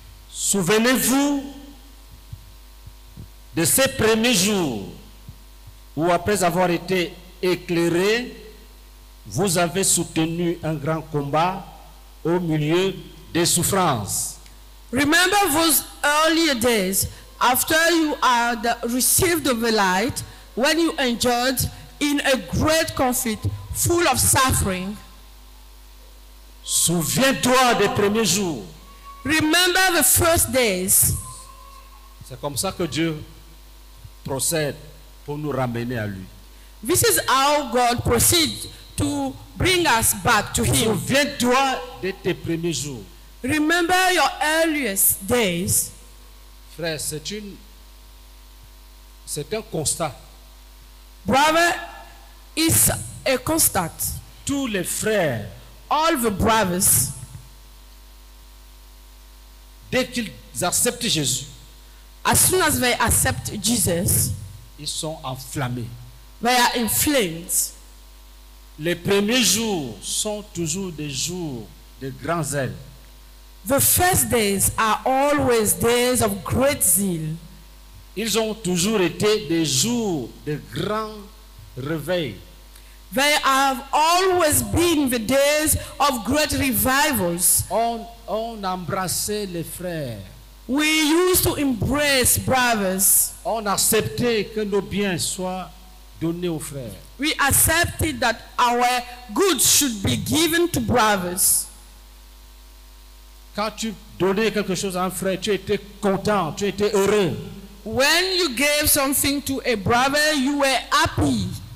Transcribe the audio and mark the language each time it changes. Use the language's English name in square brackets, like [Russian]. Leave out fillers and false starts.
[French] Souvenez-vous de ces premiers jours où, après avoir été éclairé, vous avez soutenu un grand combat au milieu des souffrances. [English] Remember those earlier days after you had received the light, when you endured in a great conflict full of suffering. [French] Souviens-toi des premiers jours. [English] Remember the first days. [French] C'est comme ça que Dieu procède pour nous ramener à lui. [English] This is how God proceeds to bring us back to him. [French] Souviens-toi de tes premiers jours. [English] Remember your earliest days. [French] Frère, c'est un constat. [English] Brother, it's a constat. [French] Tous les frères, [English] all the brothers, [French] dès qu'ils acceptent Jésus, [English] as soon as they accept Jesus, [French] ils sont enflammés. [English] They are inflamed. [French] Les premiers jours sont toujours des jours de grand zèle. [English] The first days are always days of great zeal. [French] Ils ont toujours été des jours de grand réveil. [English] There have always been the days of great revivals. [French] On embrassait les frères. [English] We used to embrace brothers. [French] On acceptait que nos biens soient donnés aux frères. [English] We accepted that our goods should be given to brothers. [French] Quand tu donnais quelque chose à un frère, tu étais content, tu étais heureux. [English] When you gave something to a brother, you were happy.